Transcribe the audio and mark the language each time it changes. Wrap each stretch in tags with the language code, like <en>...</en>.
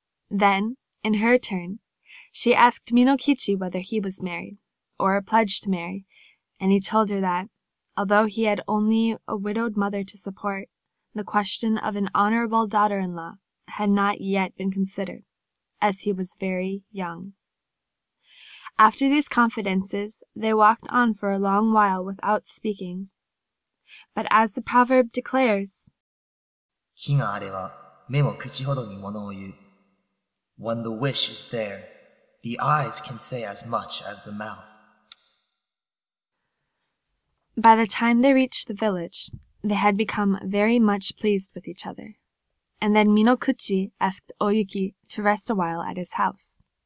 <en>Then, in her turn, she asked Minokichi whether he was married, or pledged to marry, and he told her that, although he had only a widowed mother to support, the question of an honorable daughter-in-law had not yet been considered, as he was very young. After these confidences, they walked on for a long while without speaking. But as the proverb declares,</en> <ja>気があれば目も口ほどにものを言う。</ja> <en>When the wish is there, the eyes can say as much as the mouth. By the time they reached the village, they had become very much pleased with each other. And then Minokuchi asked Oyuki to rest a while at his house.</en>